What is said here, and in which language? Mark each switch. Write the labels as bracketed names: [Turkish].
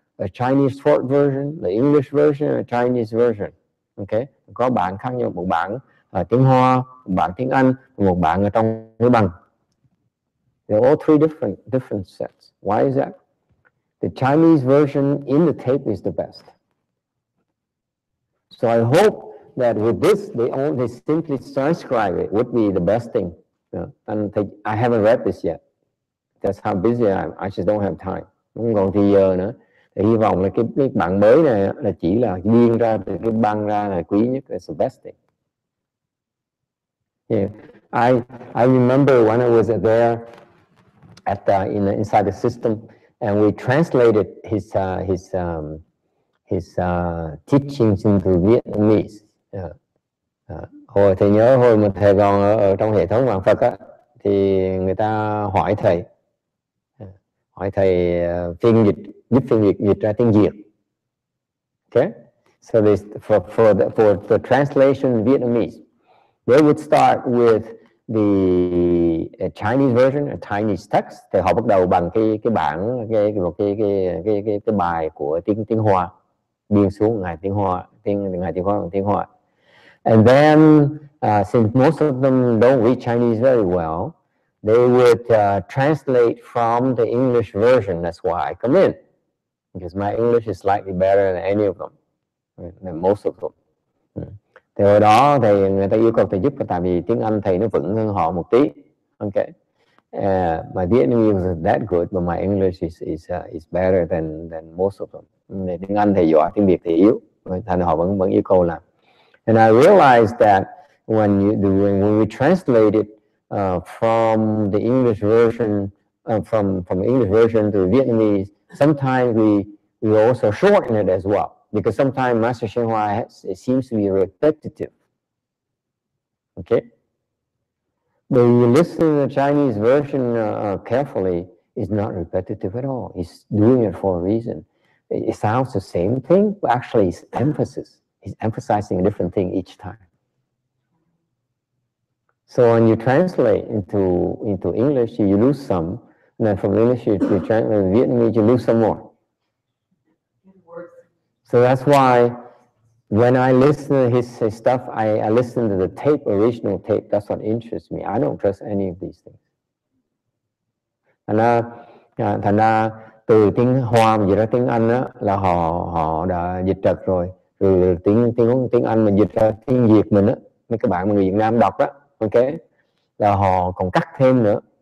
[English] The Chinese short version, the English version, the Chinese version. [Vietnamese] Okay, có bản khác nhau, một bản tiếng Hoa, một bản tiếng Anh, một bản ở trong cái băng. [English] They're all three different sets. Why is that? The Chinese version in the tape is the best. So I hope that with this, they simply transcribe it would be the best thing. Yeah. And I haven't read this yet. That's how busy I am. I just don't have time. [Vietnamese] Không còn thời giờ nữa. Hy vọng là cái bản mới này là chỉ là nguyên ra từ cái băng ra là quý nhất, là [English] the best thing. Yeah. I remember when I was there at inside the system, and we translated his teachings into Vietnamese. [Vietnamese] Hồi thầy nhớ hồi mà thầy còn ở trong hệ thống Vạn Phật á, thì người ta hỏi thầy phiên dịch ra tiếng Việt. [English] Okay, so this for the translation Vietnamese, they would start with the Chinese version, a Chinese text. [Vietnamese] Thì họ bắt đầu bằng cái bài của tiếng Hoa biên xuống ngài tiếng Hoa, tiếng Hoa bằng tiếng Hoa. [English] And then since most of them don't read Chinese very well, they would translate from the English version. That's why I come in, because my English is slightly better than any of them, than most of them. [Vietnamese] Thì hồi đó thầy người ta yêu cầu thầy giúp, tại vì tiếng Anh thầy nó vững hơn họ một tí. [English] Okay, my Vietnamese is that good, but my English is better than most of them. [Vietnamese] Tiếng Anh thầy giỏi, tiếng Việt thầy yếu, thành họ vẫn yêu cầu làm. [English] And I realized that when we translated from the English version from the English version to Vietnamese, sometimes we also shorten it as well, because sometimes Master Shenhua it seems to be repetitive. Okay, when you listen to the Chinese version carefully, it's not repetitive at all. He's doing it for a reason. It sounds the same thing, but actually it's emphasis. He's emphasizing a different thing each time. So when you translate into English, you lose some. And then from English to Vietnamese, you lose some more. So that's why When I listen to his stuff, I listen to the tape, original tape. That's what interests me. I don't trust any of these things. [Vietnamese] Thành ra, từ tiếng Hoa mà dịch ra tiếng Anh á, là họ đã dịch trật rồi. Từ tiếng Anh mình dịch ra tiếng Việt mình á, mấy các bạn người Việt Nam đọc á, ok, là họ còn cắt thêm nữa.